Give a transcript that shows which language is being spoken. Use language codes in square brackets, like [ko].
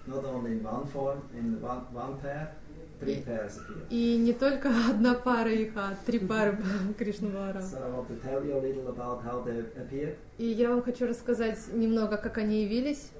[en] Not only in one form, in one pair. [ru] И не только одна пара их, а три пары Кришна Баларам. [en] So I want to tell you a little about how they appeared. [ru] И я вам хочу рассказать немного, как они явились.